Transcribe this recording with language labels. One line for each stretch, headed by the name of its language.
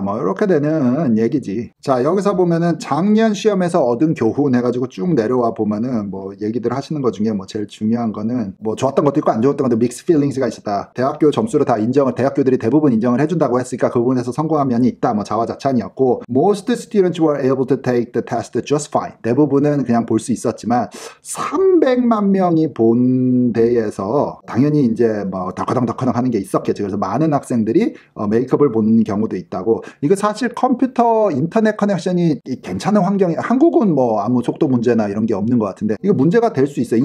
Korean: 뭐 이렇게 되는 얘기지. 자 여기서 보면은 작년 시험에서 얻은 교훈 해가지고 쭉 내려와 보면은 뭐 얘기들 하시는 것 중에 뭐 제일 중요한 거는 뭐 좋았던 것도 있고 안 좋았던 것도 믹스 필링스가 있었다. 대학교 점수로 다 인정을 대학교들이 대부분 인정을 해준다고 했으니까 그 부분에서 성공한 면이 있다. 뭐 자화자찬이었고
English: Most students were able to take the test just fine.
Korean: 대부분은 그냥 볼 수 있었지만 300만 명이 본 데에서 당연히 이제 뭐 다커덩 하는 게 있었겠지. 그래서 많은 학생들이 메이크업을 본 경우도 있다고. 이거 사실 컴퓨터 인터넷 커넥션이 괜찮은 환경이 한국은 뭐 아무 속도 문제나 이런 게 없는 것 같은데 이거 문제가 될 수 있어요.